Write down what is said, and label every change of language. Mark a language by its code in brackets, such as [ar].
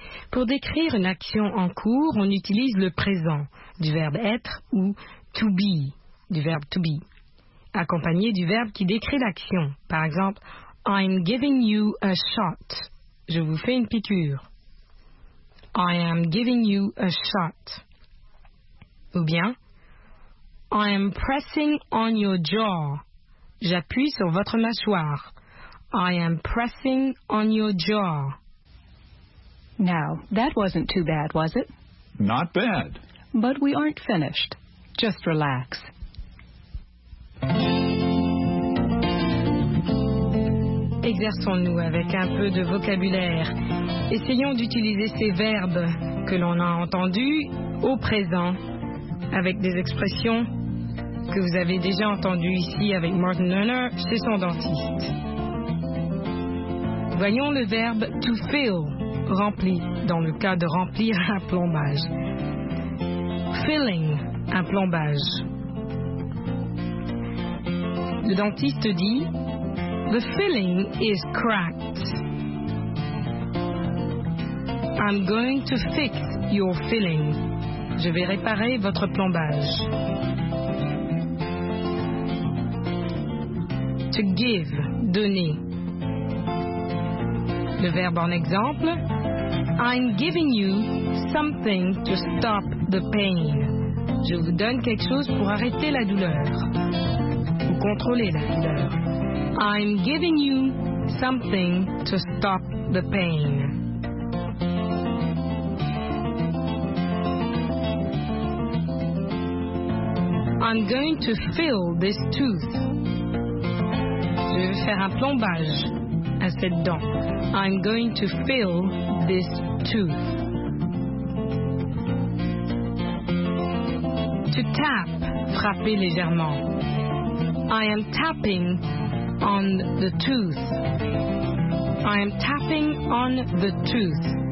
[fr] Pour décrire une action en cours, on utilise le présent du verbe être ou to be, du verbe to be, accompagné du verbe qui décrit l'action. Par exemple, [en] I'm giving you a shot. [fr] Je vous fais une piqûre. [en] I am giving you a shot. [fr] Ou bien, [en] I am pressing on your jaw. [fr] J'appuie sur votre mâchoire. [en] I am pressing on your jaw. Now, that wasn't too bad, was it? Not bad. But we aren't finished. Just relax. [fr] Exerçons-nous avec un peu de vocabulaire. Essayons d'utiliser ces verbes que l'on a entendus au présent avec des expressions que vous avez déjà entendues ici avec Martin Lerner chez son dentiste. Voyons le verbe to fill, rempli, dans le cas de remplir un plombage. Filling, un plombage. Le dentiste dit [en] the filling is cracked. I'm going to fix your filling. [fr] Je vais réparer votre plombage. To give, donner. Le verbe en exemple, [en] I'm giving you something to stop the pain. [fr] Je vous donne quelque chose pour arrêter la douleur. Ou contrôler la douleur. [en] I'm giving you something to stop the pain. I'm going to fill this tooth. [fr] Je vais faire un plombage à cette dent. [en] I'm going to fill this tooth. [fr] To tap, frapper légèrement. [en] I am tapping on the tooth. I am tapping on the tooth.